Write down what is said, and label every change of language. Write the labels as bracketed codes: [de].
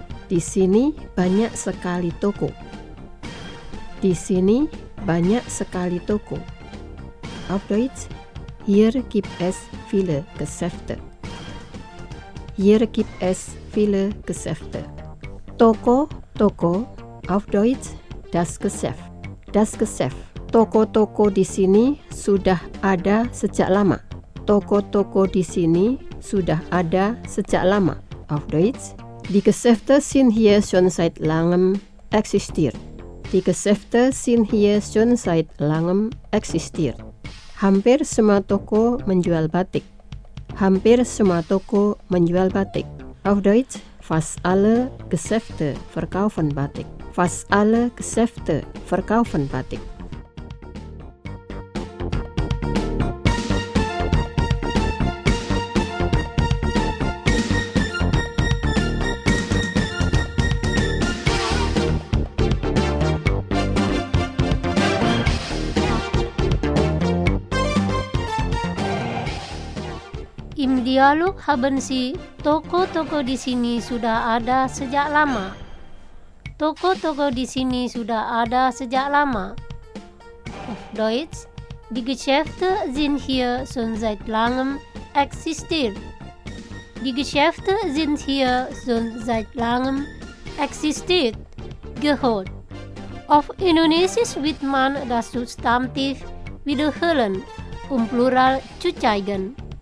[id] Di sini banyak sekali toko. Di sini banyak sekali toko. [de] Auf Deutsch, hier gibt es viele Geschäfte. Hier gibt es viele Geschäfte. [id] Toko, toko. [de] Auf Deutsch, das Geschäft. Das Geschäft. [id] Toko-toko di sini sudah ada sejak lama. Toko-toko di sini sudah ada sejak lama. [de] Auf Deutsch, die Geschäfte sind hier schon seit langem existiert. Die Geschäfte sind hier schon seit langem existiert. [id] Hampir semua toko menjual batik. Hampir semua toko menjual batik. [de] Auf Deutsch, fast alle Geschäfte verkaufen batik. Fast alle Geschäfte verkaufen batik. Dialog haben Sie, [id] toko-toko di sini sudah ada sejak lama. Toko-toko di sini sudah ada sejak lama. [de] Auf Deutsch, die Geschäfte sind hier schon seit langem existiert. Die Geschäfte sind hier schon seit langem existiert. Gehört. Auf Indonesisch wird man das Substantiv wiederholen, Plural zu zeigen.